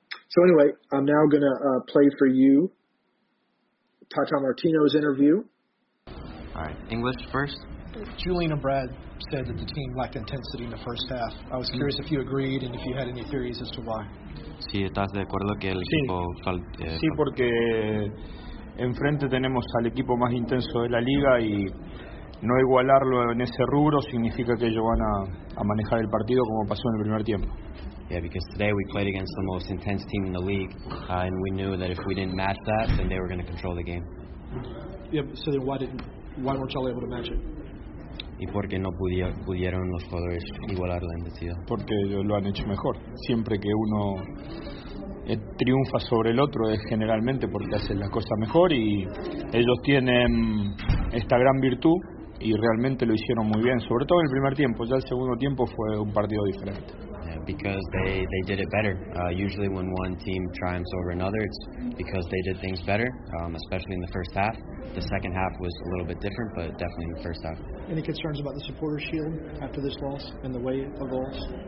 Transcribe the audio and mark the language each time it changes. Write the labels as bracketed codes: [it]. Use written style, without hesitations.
[en] So anyway, I'm now going to play for you Tata Martino's interview. All right, English first. Julian and Brad said that the team lacked intensity in the first half. I was curious if you agreed and if you had any theories as to why. [es] Sí, estás de acuerdo que el equipo Sí, porque enfrente tenemos al equipo más intenso de la liga y no igualarlo en ese rubro significa que ellos van a manejar el partido como pasó en el primer tiempo. [en] Yeah, because today we played against the most intense team in the league, and we knew that if we didn't match that, then they were going to control the game. Yeah, so then why didn't Why weren't y'all able to match it? [es] ¿Y por qué no pudieron los jugadores igualar la intensidad? Porque lo han hecho mejor. Siempre que uno triunfa sobre el otro es generalmente porque hacen las cosas mejor, y ellos tienen esta gran virtud y realmente lo hicieron muy bien, sobre todo en el primer tiempo. Ya el segundo tiempo fue un partido diferente. [en] Because they did it better. Usually when one team triumphs over another, it's because they did things better, especially in the first half. The second half was a little bit different, but definitely in the first half. Any concerns about the supporter shield after this loss and the way it evolves?